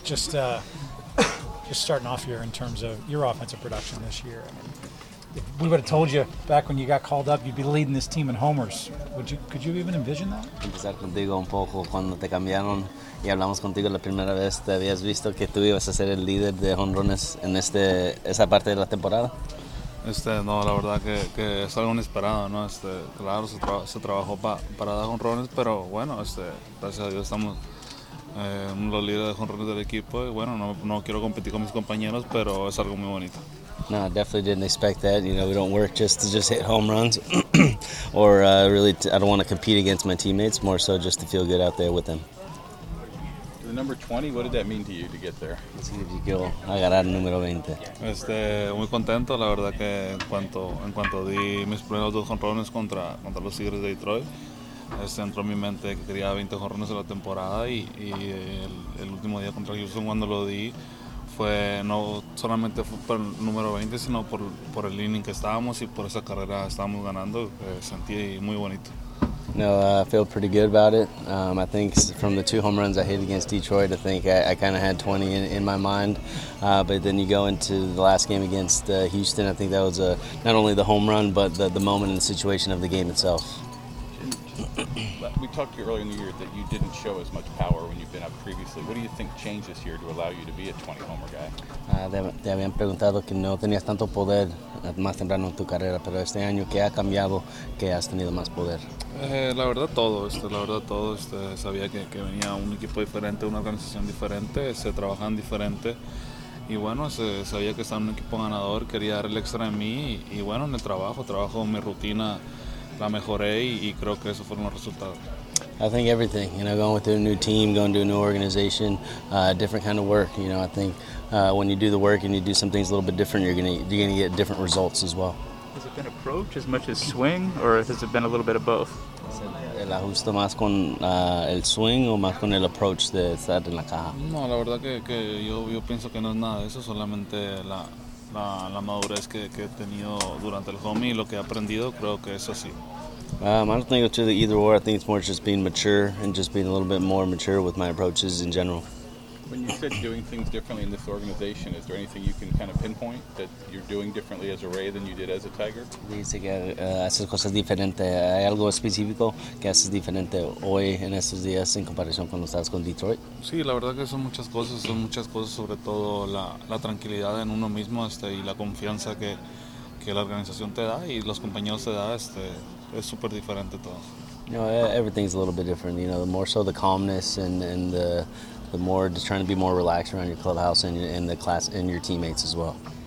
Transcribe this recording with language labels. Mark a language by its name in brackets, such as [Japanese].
[English] Just starting off here in terms of your offensive production this year. I mean, if we would have told you back when you got called up, you'd be leading this team in homers. Could you even envision that? [Spanish] Empezar contigo un poco cuando te cambiaron y hablamos contigo la primera vez. ¿Te habías visto que tú ibas a ser el líder de jonrones en esa parte de la temporada? No, la verdad que es algo inesperado, ¿no? Claro, se trabajó para dar jonrones, pero bueno, gracias a Dios estamos los líderes de jonrones del equipo. Y bueno, no quiero competir con mis compañeros, pero es algo muy bonito. [English] No, I definitely didn't expect that. You know, we don't work just to hit home runs. Or really, I don't want to compete against my teammates, more so just to feel good out there with them. The number 20, what did that mean to you to get there? Let's see if you go. [Spanish] Agarrar el número 20. Muy contento, la verdad que en cuanto di mis primeros dos jonrones contra los Tigres de Detroit, entró en mi mente que quería 20 jonrones en la temporada y el último día contra Houston cuando lo di, fue no solamente por el número 20, sino por el inning que estábamos y por esa carrera estábamos ganando. Sentí muy bonito. [English] No, I feel pretty good about it. I think from the two home runs I hit against Detroit, I think I kind of had 20 in my mind. But then you go into the last game against Houston, I think that was not only the home run, but the moment and the situation of the game itself. We talked to you earlier in the year that you didn't show as much power when you've been up previously. What do you think changed this year to allow you to be a 20-homer guy? [Spanish] Te habían preguntado que no tenías tanto poder más temprano en tu carrera, pero este año, ¿qué ha cambiado que has tenido más poder? La verdad todo. Sabía que venía un equipo diferente, una organización diferente, se trabajan diferente. Y bueno, sabía que estaba en un equipo ganador, quería dar el extra en mí. Y bueno, en el trabajo, mi rutina, la mejoré y creo que eso fue un resultado. [English] I think everything, you know, going with a new team, going to a new organization, different kind of work. You know, I think when you do the work and you do some things a little bit different, you're gonna get different results as well. Has it been approach as much as swing, or has it been a little bit of both? [Spanish] El ajuste más con el swing o más con el approach de estar en la caja. No, la verdad que yo pienso que no es nada de eso, solamente la madurez que he tenido durante el home y lo que he aprendido, creo que es así. [English] I don't think it's either or. I think it's more just being mature and just being a little bit more mature with my approaches in general. When you said doing things differently in this organization, is there anything you can kind of pinpoint that you're doing differently as a Ray than you did as a Tiger? [Spanish] Dice que haces cosas diferentes. ¿Hay algo específico que haces diferente hoy en estos días en comparación cuando estabas con Detroit? Sí, la verdad que son muchas cosas, sobre todo la tranquilidad en uno mismo y la confianza que la organización te da y los compañeros te da es super diferente todo. [English] You know, everything's a little bit different. You know, the more so the calmness and the more just trying to be more relaxed around your clubhouse and the class and your teammates as well.